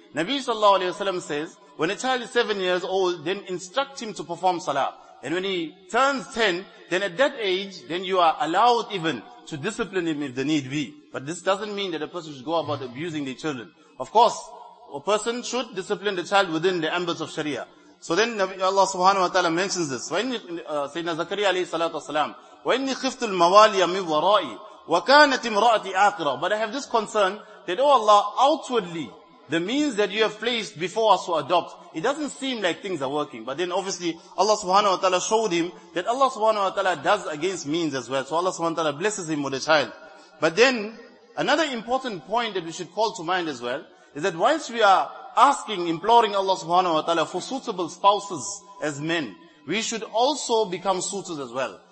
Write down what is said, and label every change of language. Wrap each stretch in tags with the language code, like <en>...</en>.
<en>Nabi sallallahu alayhi wa sallam says, when a child is 7 years old, then instruct him to perform salah. And when he turns 10, then at that age, then you are allowed even to discipline him if the need be. But this doesn't mean that a person should go about abusing their children. Of course, a person should discipline the child within the ambits of Sharia. So then Allah subhanahu wa ta'ala mentions this.</en> <ar>Sayyidina Zakariya alayhi salatu wasalam, وَإِنِّي خِفْتُ الْمَوَالِيَ مِنْ وَرَائِي وَكَانَتِ امْرَأَتِي آخِرًا.</ar> <en>But I have this concern that, oh Allah, outwardly, the means that you have placed before us to adopt, it doesn't seem like things are working. But then obviously, Allah subhanahu wa ta'ala showed him that Allah subhanahu wa ta'ala does against means as well. So Allah subhanahu wa ta'ala blesses him with a child. But then, another important point that we should call to mind as well, is that whilst we are asking, imploring Allah subhanahu wa ta'ala for suitable spouses as men, we should also become suitors as well.</en>